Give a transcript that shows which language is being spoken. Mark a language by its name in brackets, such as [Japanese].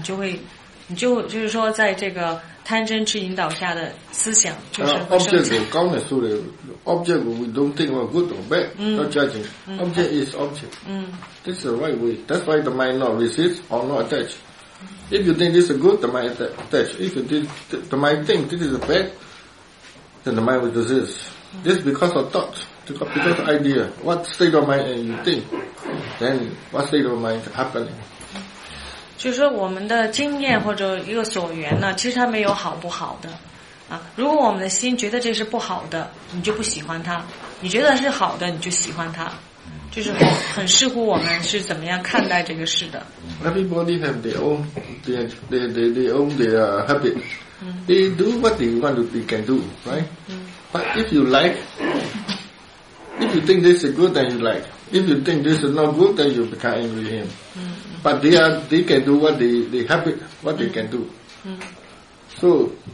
[Chinese] 就是如果你有这个正见，明白这个事情发生是怎么回事，你就会明白这个是自然的现象。但是如果不明白的话呢，你就会觉得是个人的或者怎么样，你就会就是说在这个 贪嗔 痴 引导下的思想就是很深。Object, [English] we don't think about good or bad, not judging. Object is object. This is the right way. That's why the mind not resist or not attach. If you think this is good, the mind attached. If you think the mind think this is bad, then the mind will resist. This is because of thought, because of idea. What state of mind you think, then what state of mind happening? [Chinese] 就是说我们的经验或者一个所缘呢，其实它没有好不好的。啊，如果我们的心觉得这是不好的，你就不喜欢它；你觉得是好的，你就喜欢它，就是很视乎我们是怎么样看待这个事的。 [English] Everybody have their own, their own their habit. They do what they want to, they can do, right? But if you like, if you think this is good, then you like. If you think this is not good, then you become angry with him. But they can do what they habit, what they can do. So.